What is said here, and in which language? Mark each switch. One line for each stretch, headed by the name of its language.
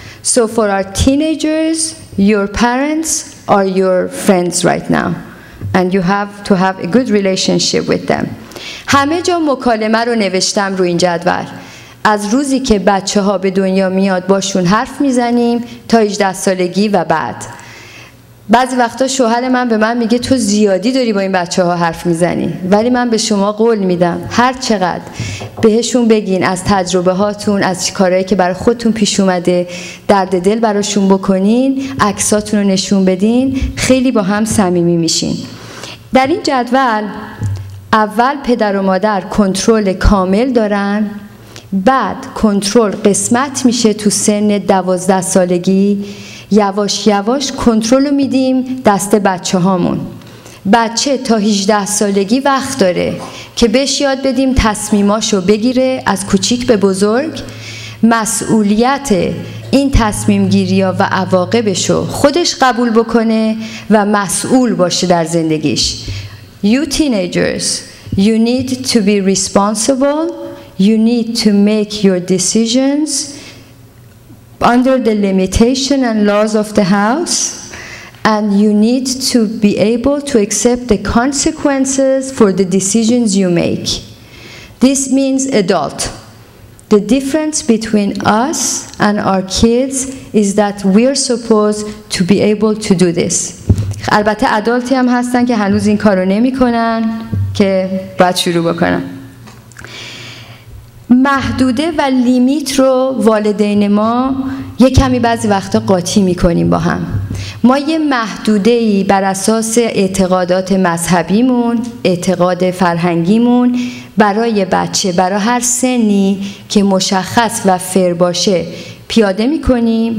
English: So for our teenagers, your parents are your friends right now and you have to have a good relationship with them.
Persian: همه جا مکالمه رو نوشتم رو این جدول، از روزی که بچه ها به دنیا میاد باشون حرف میزنیم تا 18 سالگی و بعد. بعضی وقتا شوهر من به من میگه تو زیادی داری با این بچه ها حرف میزنی، ولی من به شما قول میدم هر چقدر بهشون بگین از تجربه هاتون، از کارهایی که برای خودتون پیش اومده، درد دل براشون بکنین، عکساتون رو نشون بدین، خیلی با هم صمیمی میشین. در این جدول اول پدر و مادر کنترل کامل دارن، بعد کنترل قسمت میشه تو سن 12 سالگی، یواش یواش کنترل رو میدیم دست بچه هامون. بچه تا 18 سالگی وقت داره که بهش یاد بدیم تصمیماش رو بگیره، از کوچیک به بزرگ مسئولیت این تصمیم گیری ها و عواقبش رو خودش قبول بکنه و مسئول باشه در زندگیش.
English: You teenagers, you need to be responsible, you need to make your decisions under the limitation and laws of the house, and you need to be able to accept the consequences for the decisions you make. This means adult. The difference between us and our kids is that we are supposed to be able to do this.
Persian: البته ادالتی هم هستن که هنوز این کارو نمیکنن که باید شروع بکنن. محدوده و لیمیت رو والدین ما یه کمی بعضی وقتا قاطی میکنیم با هم. ما یه محدودهی بر اساس اعتقادات مذهبیمون، اعتقاد فرهنگیمون برای بچه، برای هر سنی که مشخص و فر باشه پیاده میکنیم.